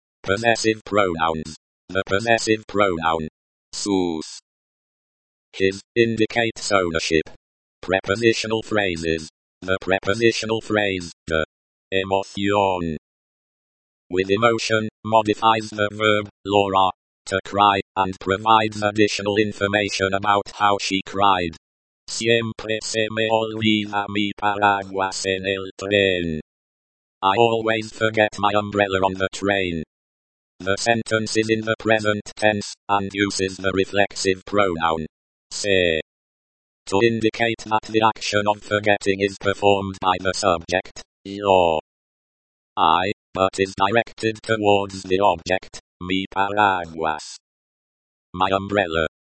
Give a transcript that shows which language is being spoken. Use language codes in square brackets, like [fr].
[en] Possessive pronouns. The possessive pronoun sus, his, indicates ownership. Prepositional phrases. The prepositional phrase the emoción with emotion modifies the verb Laura to cry and provides additional information about how she cried. [es] Siempre se me olvida mi paraguas en el tren. [en] I always forget my umbrella on the train. The sentence is in the present tense and uses the reflexive pronoun se to indicate that the action of forgetting is performed by the subject, yo, I, but is directed towards the object, [es] mi paraguas, [en] my umbrella.